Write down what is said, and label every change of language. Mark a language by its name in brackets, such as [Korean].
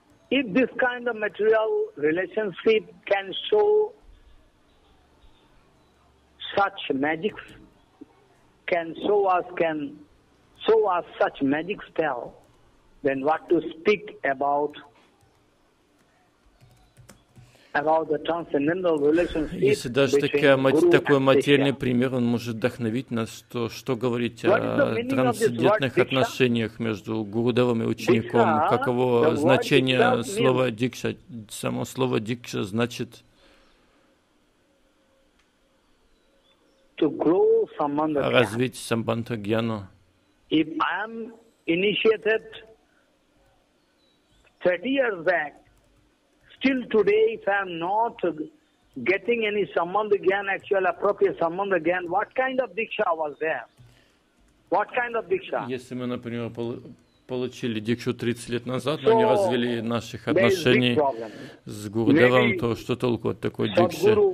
[English] if this kind of material relationship can show such magic, can show us such magic spell, then what to speak about the transcendental relationship? [Russian] Если даже такой материальный пример, он может вдохновить нас, то что говорить о трансцендентных отношениях между гурудевом и учеником? Каково значение слова дикша? Само слово дикша значит развить самбандха гьяну. [English] If I am initiated 30 years back, still today, if I am not getting any samandha gyan, actual appropriate samandha gyan, what kind of diksha was there? What kind of diksha? [Russian] Если мы, например, получили дикшу 30 лет назад, но не развили наших отношений с гурудевом, то что толку от такой дикши?